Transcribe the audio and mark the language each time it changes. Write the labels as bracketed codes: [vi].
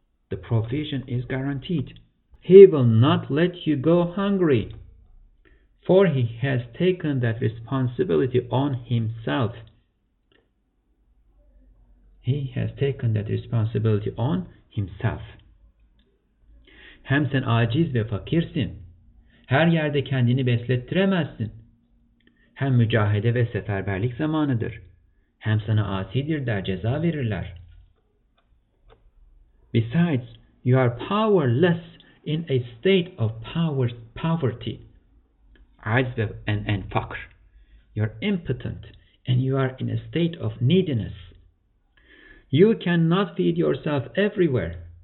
[en] The provision is guaranteed. He will not let you go hungry, for he has taken that responsibility on himself. He has taken that responsibility on himself. [tr] Hem sen aciz ve fakirsin. Her yerde kendini beslettiremezsin. Hem mücahede ve seferberlik zamanıdır. Hem sana asidir der, ceza verirler. [en] Besides, you are powerless in a state of poverty. [tr] Aciz ve [en] and fakir. You are impotent and you are in a state of neediness. You cannot feed yourself everywhere.